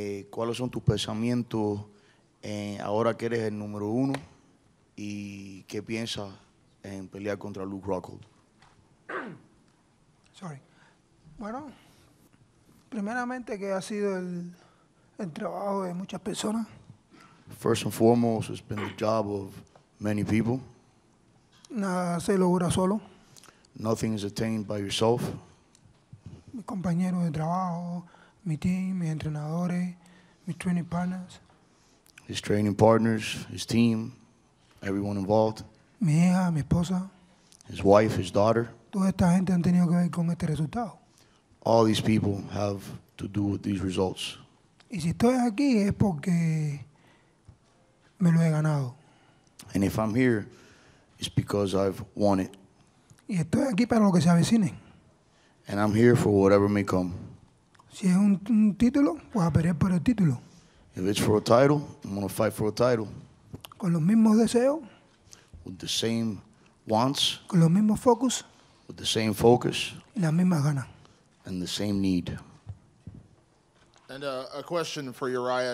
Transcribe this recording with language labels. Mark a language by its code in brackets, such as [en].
[es] ¿Cuáles son tus pensamientos ahora que eres el número uno? ¿Y qué piensas en pelear contra Luke Rockhold? [en] Sorry. [es] Bueno, primeramente que ha sido el trabajo de muchas personas. [en] First and foremost, it's been the job of many people. [es] Nada se logra solo. [en] Nothing is attained by yourself. [es] Mi compañero de trabajo, mi team, mis entrenadores, mis [en] training partners. His training partners, his team, everyone involved. [es] Mi hija, mi esposa. [en] His wife, his daughter. [es] Toda esta gente han tenido que ver con este resultado. [en] All these people have to do with these results. [es] Y si estoy aquí es porque me lo he ganado. [en] And if I'm here, it's because I've won it. [es] Y estoy aquí para lo que se avecine. [en] And I'm here for whatever may come. [es] Si es un título, voy a pelear por el título. [en] If it's for a title, I'm going to fight for a title. [es] Con los mismos deseos. [en] With the same wants. [es] Con los mismos focus. [en] With the same focus. [es] Y la misma gana. [en] And the same need. And a question for Uriah.